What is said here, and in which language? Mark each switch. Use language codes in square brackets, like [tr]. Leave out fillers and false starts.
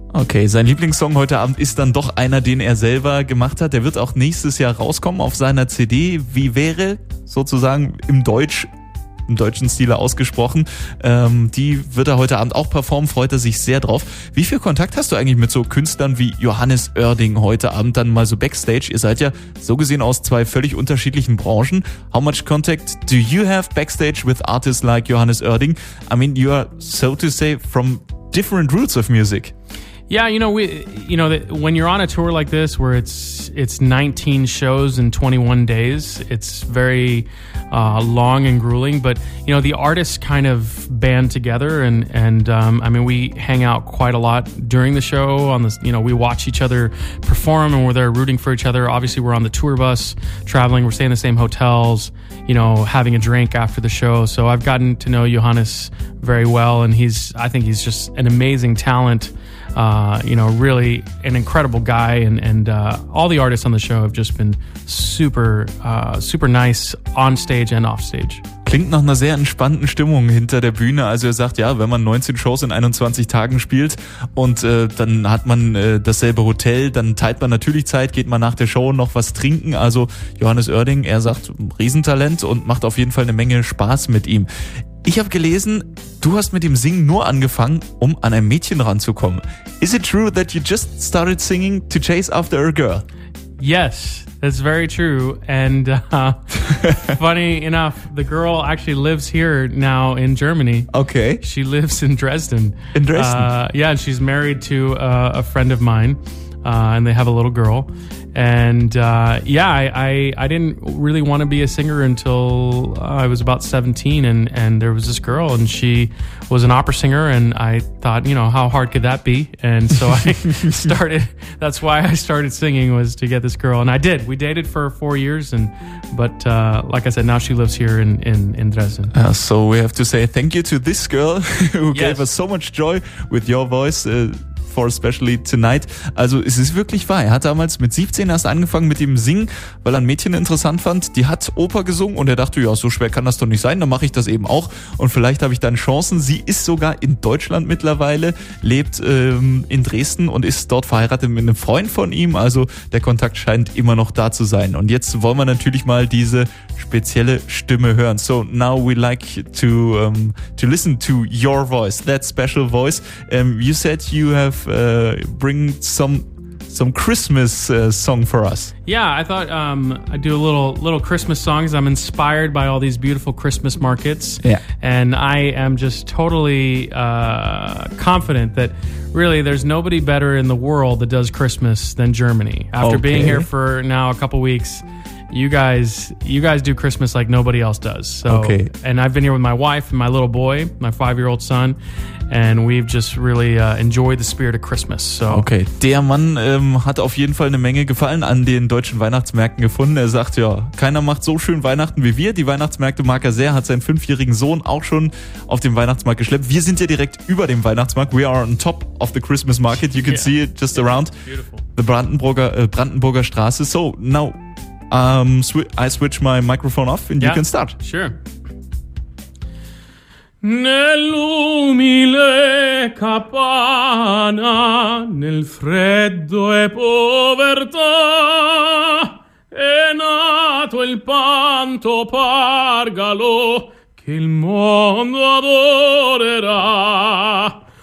[de] Okay, sein Lieblingssong heute Abend ist dann doch einer, den er selber gemacht hat. Der wird auch nächstes Jahr rauskommen auf seiner CD, wie wäre sozusagen im deutschen Stile ausgesprochen. Die wird er heute Abend auch performen, freut er sich sehr drauf. Wie viel Kontakt hast du eigentlich mit so Künstlern wie Johannes Oerding heute Abend dann mal so backstage? Ihr seid ja so gesehen aus zwei völlig unterschiedlichen Branchen. [en] How much contact do you have backstage with artists like Johannes Oerding? I mean, you are, so to say, from different roots of music. Yeah, you know, we, you know, that when you're on a tour like this, where it's 19 shows in 21 days, it's very long and grueling. But you know, the artists kind of band together, and I mean, we hang out quite a lot during the show. On this, you know, we watch each other perform, and we're there rooting for each other. Obviously, we're on the tour bus traveling. We're staying in the same hotels, you know, having a drink after the show. So I've gotten to know Johannes very well, and I think he's just an amazing talent. You know, really an incredible guy, and all the artists on the show have just been super, super nice on stage and off stage. [de] Klingt nach einer sehr entspannten Stimmung hinter der Bühne. Also er sagt, ja, wenn man 19 Shows in 21 Tagen spielt und dann hat man dasselbe Hotel, dann teilt man natürlich Zeit, geht man nach der Show noch was trinken. Also Johannes Oerding, er sagt, Riesentalent und macht auf jeden Fall eine Menge Spaß mit ihm. Ich habe gelesen, du hast mit dem Singen nur angefangen, um an ein Mädchen ranzukommen. [en] Is it true that you just started singing to chase after a girl? Yes, that's very true. And funny enough, the girl actually lives here now in Germany. Okay. She lives in Dresden. In Dresden? Yeah, and she's married to a friend of mine, and they have a little girl. And yeah, I didn't really want to be a singer until I was about 17, and there was this girl, and she was an opera singer, and I thought, you know, how hard could that be? And so I started. That's why I started singing, was to get this girl, and I did. We dated for 4 years, but like I said, now she lives here in Dresden. So we have to say thank you to this girl who yes. gave us so much joy with your voice. For especially tonight. [de] Also es ist wirklich wahr. Er hat damals mit 17 erst angefangen mit dem Singen, weil er ein Mädchen interessant fand. Die hat Oper gesungen und er dachte, ja, so schwer kann das doch nicht sein. Dann mache ich das eben auch und vielleicht habe ich dann Chancen. Sie ist sogar in Deutschland mittlerweile, lebt in Dresden und ist dort verheiratet mit einem Freund von ihm. Also der Kontakt scheint immer noch da zu sein. Und jetzt wollen wir natürlich mal diese spezielle Stimme hören. [en] So now we like to listen to your voice, that special voice. You said you have bring some Christmas song for us. Yeah, I thought I'd do a little Christmas song because I'm inspired by all these beautiful Christmas markets. Yeah. And I am just totally confident that really there's nobody better in the world that does Christmas than Germany. After okay. being here for now a couple weeks, you guys do Christmas like nobody else does. So, okay. And I've been here with my wife and my little boy, my 5-year-old son. And we've just really enjoyed the spirit of Christmas. So. [de] Okay, der Mann hat auf jeden Fall eine Menge Gefallen an den deutschen Weihnachtsmärkten gefunden. Er sagt, ja, keiner macht so schön Weihnachten wie wir. Die Weihnachtsmärkte mag er sehr, hat seinen 5-jährigen Sohn auch schon auf dem Weihnachtsmarkt geschleppt. Wir sind ja direkt über dem Weihnachtsmarkt. [en] We are on top of the Christmas market. You can yeah. see it just yeah. around. Beautiful. The Brandenburger Straße. So, now I switch my microphone off and yeah. you can start. Sure. [it] Nell'umile capanna, nel freddo e povertà, è nato il panto pargalo che il mondo adorerà.